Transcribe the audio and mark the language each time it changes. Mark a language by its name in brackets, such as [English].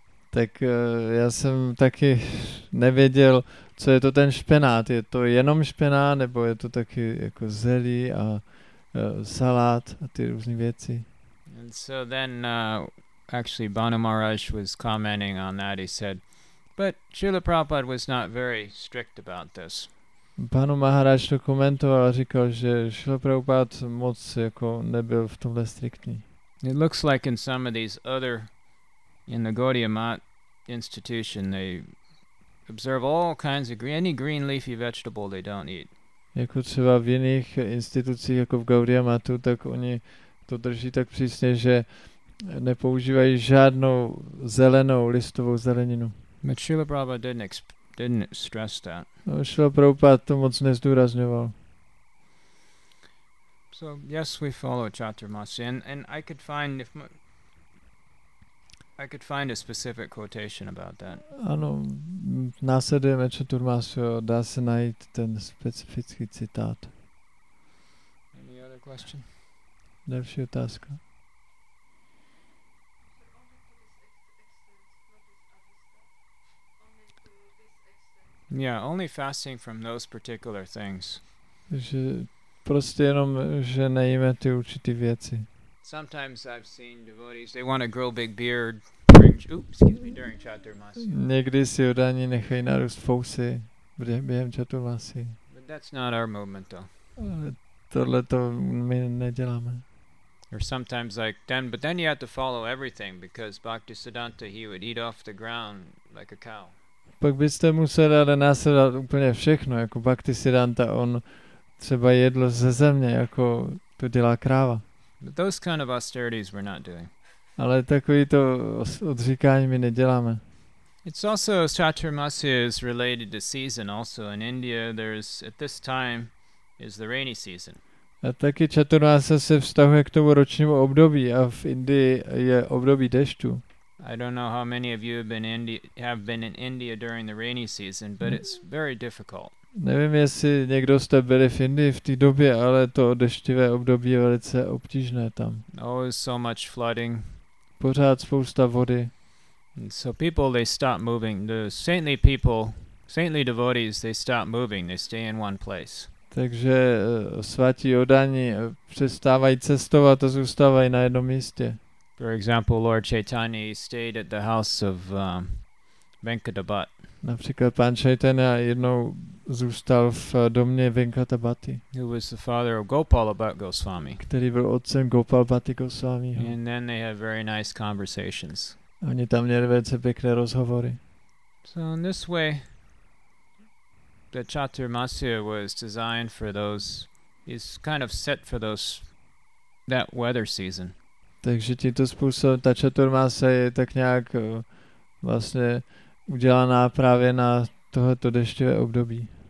[Czech] Tak já jsem taky nevěděl, co je to ten špenát. Je to jenom špenát, nebo je to taky jako zelí a salát a ty různé věci. [English] And so then, actually, Banu Maharaj was commenting on that. He said, but Srila Prabhupada was not very strict about this. [Czech] Banu Maharaj to komentoval a říkal, že Srila Prabhupada moc jako nebyl v tomhle striktní. [English] It looks like in some of these other in the Gaudiya Math institution, they observe all kinds of any green leafy vegetable they don't eat. [Czech] Jako třeba v jiných institucích, jako v Gaudiya Mathu, tak oni to drží tak přísně, že nepoužívají žádnou zelenou listovou zeleninu. [English] But Srila Prabhupada didn't stress that. [Czech] No, Srila Prabhupada to moc nezdůrazňoval. [English] So, yes, we follow Chaturmasya. And I could find a specific quotation about that. [Czech] Ano, následujeme Chaturmasyu, dá se najít ten specifický citát. [English] Any other question? [Czech] Další otázka. [English] Yeah, only fasting from those particular things. [Czech] Že prostě jenom, že nejíme ty určitý věci. [English] Sometimes I've seen devotees, they want to grow big beard. During Chaturmasya. [Czech] Někdy si udání nechají narůst fousy během Chaturmasy. [English] But that's not our movement, though. [Czech] Ale tohle to my neděláme. [English] Or sometimes like then, but then you have to follow everything because Bhaktisiddhanta, he would eat off the ground like a cow. [Czech] Pak byste museli ale následovat úplně všechno, jako Bhaktisiddhanta, on třeba jedlo ze země, jako to dělá kráva. [English] But those kind of austerities we're not doing. [Czech] Ale takový to odříkání my neděláme. [English] It's also chaturmasya is related to season also. In India there's at this time is the rainy season. [Czech] A taky chaturmasya se vztahuje k tomu ročnímu období a v Indii je období dešťů. [English] I don't know how many of you have been in India during the rainy season, but it's very difficult. [Czech] Nevím, jestli někdo jste byli v Indii v té době, ale to deštivé období je velice obtížné tam. [English] Always so much flooding. [Czech] Pořád spousta vody. [English] And so people, they stop moving. The saintly people, saintly devotees, they stop moving. They stay in one place. [Czech] Takže svatí oddaní přestávají cestovat a zůstávají na jednom místě. [English] For example, Lord Chaitanya stayed at the house of Venkata Bhat. [Czech] Například pan Chaitanya jednou zůstal v domě Venkata Bhatti. [English] Who was the father of Gopala Bhatt Goswami. [Czech] Který byl otcem Gopala Bhatti Goswamiho. [English] And then they had very nice conversations. [Czech] Oni tam měli velice pěkné rozhovory. [English] So in this way, the chaturmasya was designed for those, is kind of set for those, that weather season. [Czech] Takže tímto způsobem ta chaturmasya je tak nějak vlastně udělaná právě na tohleto deštivé období.